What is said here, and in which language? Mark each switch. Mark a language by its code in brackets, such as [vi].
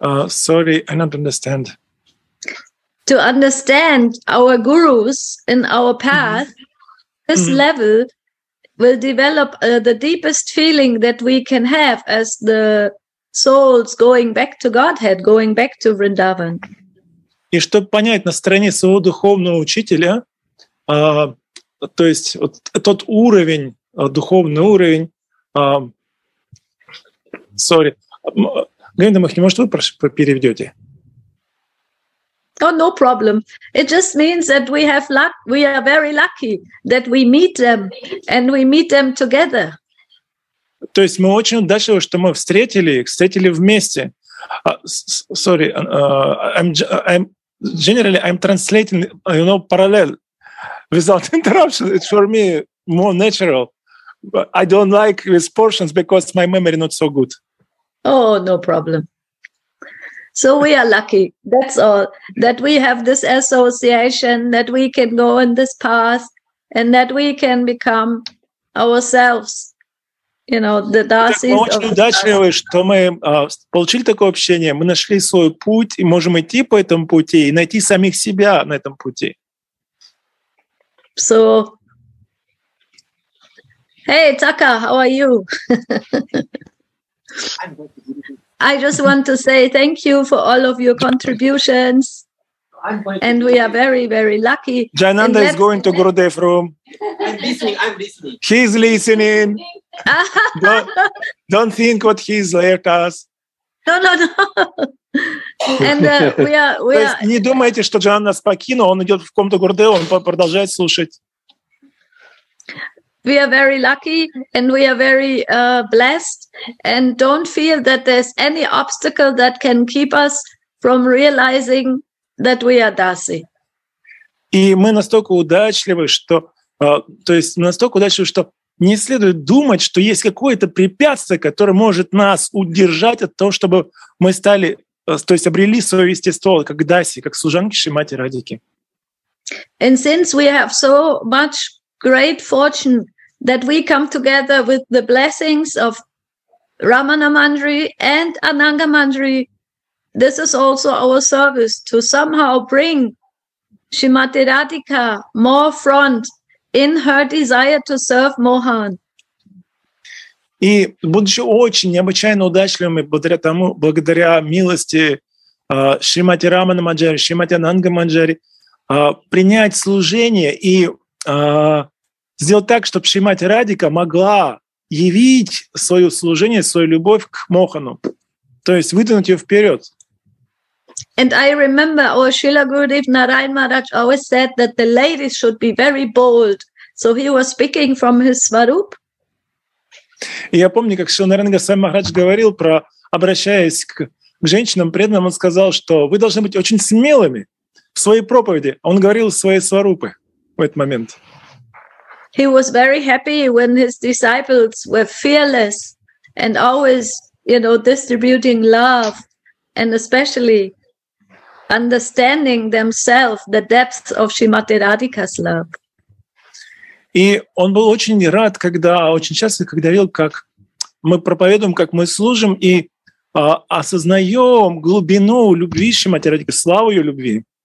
[en] Sorry, I don't understand. To understand our gurus in our path, this level will develop the deepest feeling that we can have as the souls going back to Godhead, going back to Vrindavan. [ru] И чтобы понять настроение своего духовного учителя, то есть вот тот уровень, духовный уровень, [en] sorry. [ru] Галина Махнина, может, вы переведете? [en] Oh, no problem. It just means that we have luck. We are very lucky that we meet them and we meet them together. [ru] То есть мы очень удачливы, что мы встретили их, встретили вместе. [en] Sorry, I'm generally I'm translating, you know, parallel without interruption. It's for me more natural. I don't like these portions because my memory not so good. Oh, no problem. So we are lucky, that's all, that we have this association, that we can go in this path, and that we can become ourselves, you know, the Dasis. [ru] Мы очень удачливы, что мы получили такое общение, мы нашли свой путь и можем идти по этому пути и найти самих себя на этом пути. [en] So, hey, Taka, how are you? I just want to say thank you for all of your contributions. And we are very, very lucky. Jayananda is going to Gurudev room. I'm listening. He's listening. don't think what he's left us. No. And we are. [ru] Не думайте, что Джананда покинул, он идет в комнату Гурудева, он продолжает слушать. [en] We are very lucky and we are very blessed and don't feel that there's any obstacle that can keep us from realizing that we are Dasi. [ru] И мы настолько удачливы, что то есть настолько удачливы, что не следует думать, что есть какое-то препятствие, которое может нас удержать от того, чтобы мы стали, то есть обрели свое естество как Даси, как служанки Шримати Радики. [en] And since we have so much great fortune that we come together with the blessings of Ramana Manjari and Ananga Manjari. This is also our service to somehow bring Srimati Radhika more front in her desire to serve Mohan. [ru] И будучи очень необычайно удачливыми благодаря тому, благодаря милости Шримати Рамана Манджари, Шримати Ананга Манджари, принять служение и сделать так, чтобы Шримати Радика могла явить свое служение, свою любовь к Мохану, то есть вытянуть ее вперед. [en] And I remember our Srila Gurudev Narayan Maharaj always said that the ladies should be very bold. So he was speaking from his Swarup. [ru] Я помню, как Шрила Нараян Госвами Махарадж говорил про, обращаясь к женщинам преданным, он сказал, что вы должны быть очень смелыми в своей проповеди. Он говорил в своей Сварупе в этот момент. [en] He was very happy when his disciples were fearless and always, you know, distributing love and especially understanding themselves the depths of Shrimati Radhika's love. [ru] И он был очень рад, когда очень часто, когда видел, как мы проповедуем, как мы служим и осознаем глубину любви Шримати Радхики, славу ее любви.